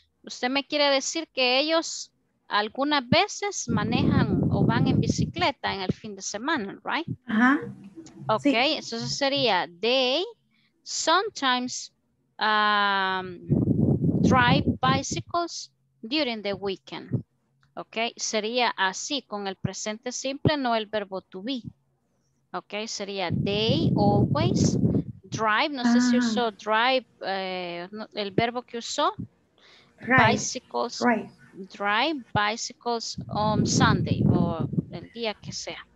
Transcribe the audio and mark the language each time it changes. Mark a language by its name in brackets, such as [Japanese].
[Spanish] Usted me quiere decir que ellos algunas veces manejan o van en bicicleta en el fin de semana, right? Ajá. Okay, sí. [English] Entonces sería they sometimes drive bicycles during the weekend. [Spanish] Okay, sería así con el presente simple, no el verbo to be. [English] Okay, sería they always drive. [Spanish] No sé si usó drive, el verbo que usó. [English] Drive bicycles on Sunday o el día que sea.